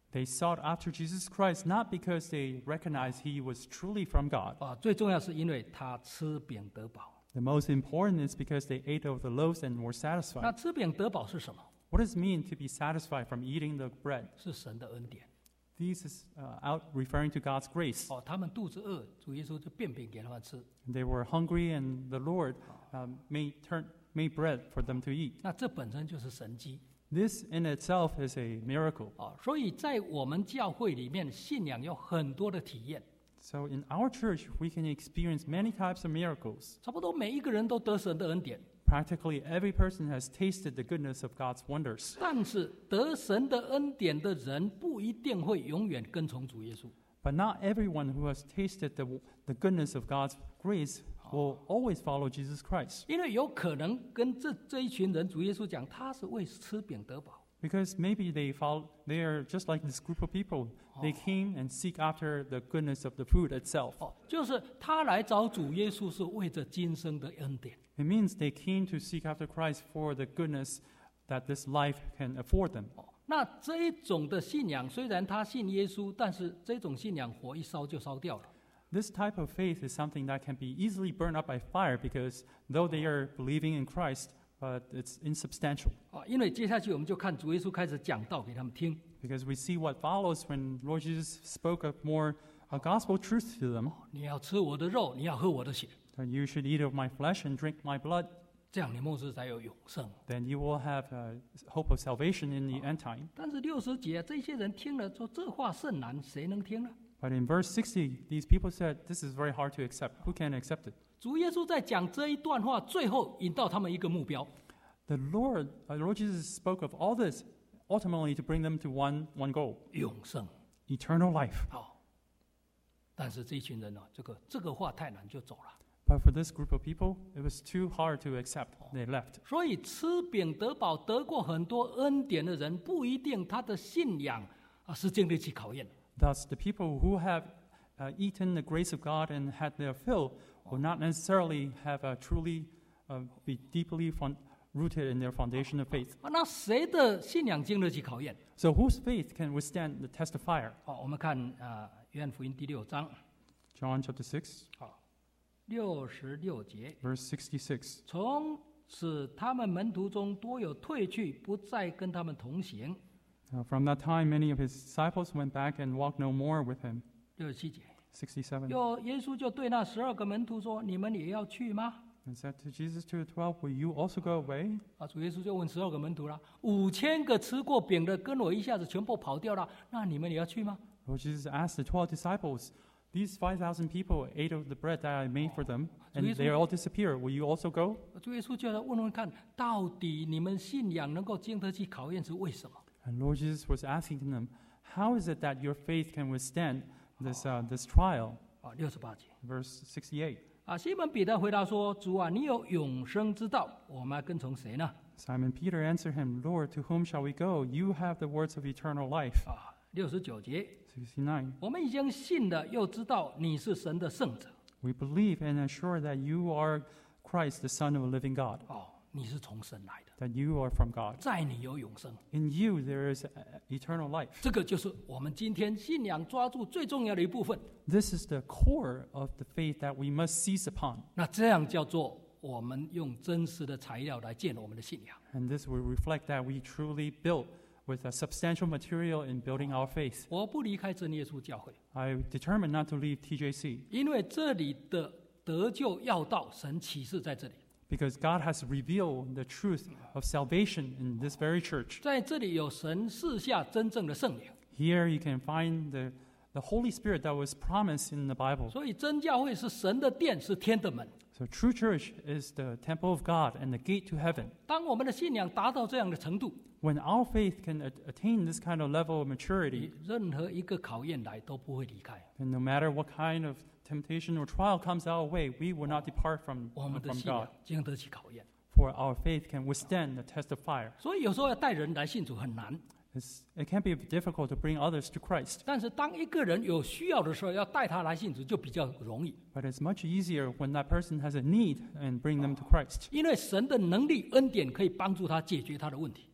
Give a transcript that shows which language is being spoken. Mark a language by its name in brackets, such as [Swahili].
[English] They sought after Jesus Christ not because they recognized he was truly from God. [Chinese] 最重要是因为他吃饼得饱。 [English] The most important is because they ate of the loaves and were satisfied. [Chinese] 那吃饼得饱是什么？ [English] What does it mean to be satisfied from eating the bread? [Chinese] 是神的恩典。 [English] This is referring to God's grace. [Chinese] 他们肚子饿，主耶稣就变饼给他们吃。 [English] They were hungry and the Lord made bread for them to eat. [Chinese] 那这本身就是神迹。 [English] This in itself is a miracle. [Chinese] 所以在我们教会里面，信仰有很多的体验。 [English] So in our church, we can experience many types of miracles. [Chinese] 差不多每一个人都得神的恩典。 [English] Practically every person has tasted the goodness of God's wonders. [Chinese] 但是得神的恩典的人不一定会永远跟从主耶稣。 [English] But not everyone who has tasted the goodness of God's grace will always follow Jesus Christ. [Chinese] 因为有可能跟这一群人主耶稣讲，他是为吃饼得饱。 [English] Because maybe they are just like this group of people. They came and seek after the goodness of the food itself. [Chinese] 就是他来找主耶稣是为着今生的恩典。 [English] It means they came to seek after Christ for the goodness that this life can afford them. [Chinese] 那这种的信仰，虽然他信耶稣，但是这种信仰火一烧就烧掉了。 [English] This type of faith is something that can be easily burned up by fire because though they are believing in Christ, but it's insubstantial. [Chinese] 因为接下去我们就看主耶稣开始讲道给他们听。 [English] Because we see what follows when Lord Jesus spoke of more gospel truth to them. [Chinese] 你要吃我的肉，你要喝我的血。 [English] And you should eat of my flesh and drink my blood. [Chinese] 这样你末世才有永生。 [English] Then you will have a hope of salvation in the end time. [Chinese] 但是六十节，这些人听了说这话甚难，谁能听呢？ [English] But in verse 60, these people said, this is very hard to accept. Who can accept it? [Chinese] 主耶稣在讲这一段话，最后引到他们一个目标。 [English] The Lord Jesus spoke of all this, ultimately to bring them to one goal. [Chinese] 永生。 [English] Eternal life. [Chinese] 但是这群人呢，这个话太难，就走了。 [English] But for this group of people, it was too hard to accept. They left. [Chinese] 所以吃饼得饱，得过很多恩典的人，不一定他的信仰啊是经得起考验。 [English] Thus, the people who have eaten the grace of God and had their fill will not necessarily have a truly be deeply rooted in their foundation of faith. [Chinese] 那谁的信仰经得起考验 [English] ？So whose faith can withstand the test of fire? [Chinese] 好，我们看约翰福音第六章 [English] ，John chapter 6。 [Chinese] 好。66节 [English] Verse 66. [Chinese] 从此他们门徒中多有退去，不再跟他们同行。 [English] From that time, many of his disciples went back and walked no more with him. [Chinese] 67节 [English] 67. [Chinese] 又耶稣就对那十二个门徒说：“你们也要去吗？” [English] And said to Jesus to the 12, "Will you also go away?" [Chinese] 主耶稣就问十二个门徒了：“五千个吃过饼的跟我一下子全部跑掉了，那你们也要去吗？” [English] Lord Jesus asked the 12 disciples. These 5,000 people ate of the bread that I made for them, and they all disappeared. Will you also go? [Chinese] 主耶稣就来问问看，到底你们信仰能够经得起考验是为什么？ [English] And Lord Jesus was asking them, how is it that your faith can withstand this this trial? [Chinese] 68节 [English] Verse 68. [Chinese] 西门彼得回答说，主啊，你有永生之道，我们要跟从谁呢？ [English] Simon Peter answered him, Lord, to whom shall we go? You have the words of eternal life. [Chinese] 69节 [English] 69. [Chinese] 我们已经信了，又知道你是神的圣者。 [English] We believe and assure that you are Christ, the Son of a living God. [Chinese] 你是从神来的。 [English] That you are from God. [Chinese] 在你有永生。 [English] In you there is eternal life. [Chinese] 这个就是我们今天信仰抓住最重要的一部分。 [English] This is the core of the faith that we must seize upon. [Chinese] 那这样叫做我们用真实的材料来建我们的信仰。 [English] And this will reflect that we truly built. With a substantial material in building our faith. [Chinese] 我不离开真耶稣教会。 [English] I determined not to leave TJC. [Chinese] 因为这里的得救要道，神启示在这里。 [English] Because God has revealed the truth of salvation in this very church. [Chinese] 在这里有神赐下真正的圣灵。 [English] Here you can find the Holy Spirit that was promised in the Bible. [Chinese] 所以真教会是神的殿，是天的门。 [English] So true church is the temple of God and the gate to heaven. [Chinese] 当我们的信仰达到这样的程度。 [English] When our faith can attain this kind of level of maturity, [Chinese] 任何一个考验来都不会离开。 [English] And no matter what kind of temptation or trial comes our way, we will not depart from God. [Chinese] 我们的信仰经得起考验。 [English] For our faith can withstand the test of fire. [Chinese] 所以有时候要带人来信主很难。 [English] It can be difficult to bring others to Christ. [Chinese] 但是当一个人有需要的时候，要带他来信主就比较容易。 [English] But it's much easier when that person has a need and bring them to Christ. [Chinese] 因为神的能力恩典可以帮助他解决他的问题。